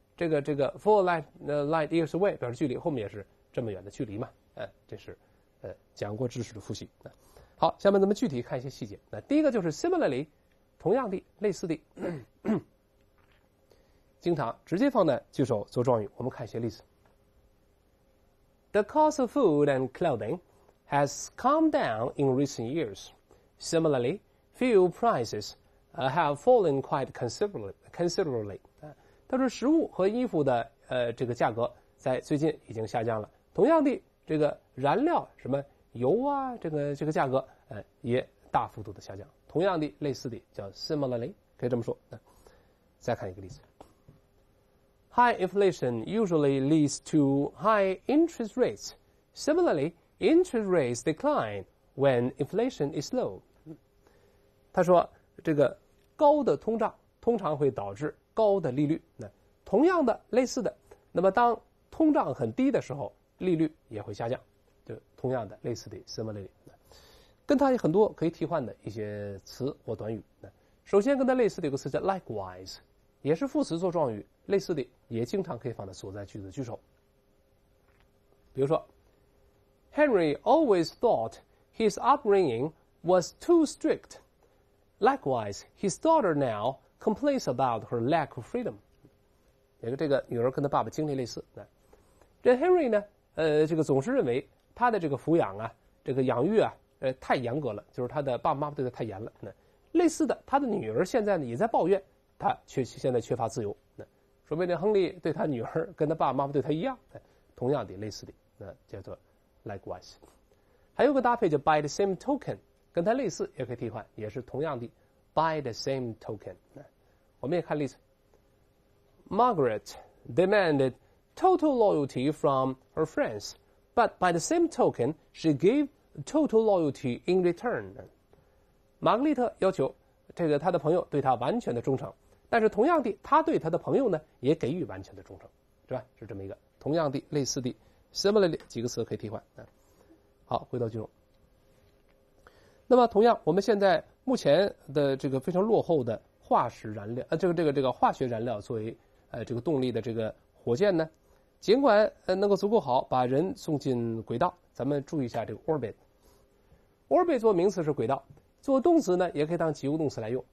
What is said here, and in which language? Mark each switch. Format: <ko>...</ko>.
<zh>这个</zh> <en>four light years away</en> <zh>表示距离，后面也是这么远的距离嘛。这是讲过知识的复习。好，下面咱们具体看一些细节。那第一个就是 similarly， 同样的，类似的。经常直接放在句首做状语，我们看一些例子。</zh> <en>The cost of food and clothing has come down in recent years. Similarly, fuel prices have fallen quite considerably.</en> <zh>它说食物和衣服的这个价格在最近已经下降了。同样的，这个燃料什么油啊，这个价格也大幅度的下降。同样的，类似的叫 similarly， 可以这么说。再看一个例子。</zh> <en>High inflation usually leads to high interest rates. Similarly, interest rates decline when inflation is low.</en> <zh>他说这个高的通胀通常会导致高的利率。那同样的，类似的，那么当通胀很低的时候，利率也会下降。就同样的，类似的 similarly， 跟它有很多可以替换的一些词或短语。首先跟它类似的有个词叫 likewise，也是副词做状语，类似的也经常可以放在所在句子句首。比如说</zh> <en>Henry always thought his upbringing was too strict. Likewise, his daughter now complains about her lack of freedom.</en> <zh>这个女儿跟她爸爸经历类似。这 Henry 呢这个总是认为她的这个抚养啊，这个养育啊太严格了，就是她的爸爸妈妈对她太严了。类似的，她的女儿现在呢也在抱怨他现在缺乏自由，说明亨利对他女儿跟他爸爸妈妈对他一样，同样的，类似的，那叫做 likewise。还有个搭配叫 by the same token， 跟他类似也可以替换，也是同样的 by the same token。我们也看例子。</zh> <en>Margaret demanded total loyalty from her friends， but by the same token she gave total loyalty in return。</en> <zh>玛格丽特要求这个他的朋友对他完全的忠诚，但是同样的，他对他的朋友呢也给予完全的忠诚，是吧？是这么一个同样的、类似的 similarly 几个词可以替换。好，回到句中。那么同样，我们现在目前的这个非常落后的化石燃料这个化学燃料作为这个动力的这个火箭呢，尽管能够足够好把人送进轨道，咱们注意一下这个 orbit 做名词是轨道，做动词呢也可以当及物动词来用。</zh>